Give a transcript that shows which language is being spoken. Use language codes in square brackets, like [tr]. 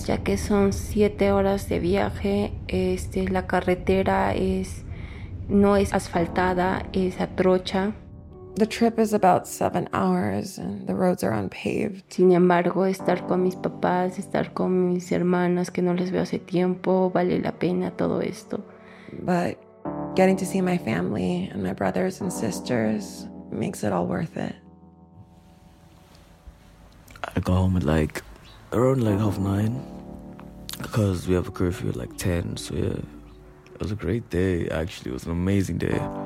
[es] Ya que son 7 horas de viaje, la carretera no es asfaltada, es a trocha. [en] The trip is about 7 hours and the roads are unpaved. [es] Sin embargo, estar con mis papás, estar con mis hermanas que no les veo hace tiempo, vale la pena todo esto. [en] But getting to see my family and my brothers and sisters makes it all worth it. I got home at like around like 8:30 because we have a curfew at like 10. So yeah, it was a great day. Actually, it was an amazing day.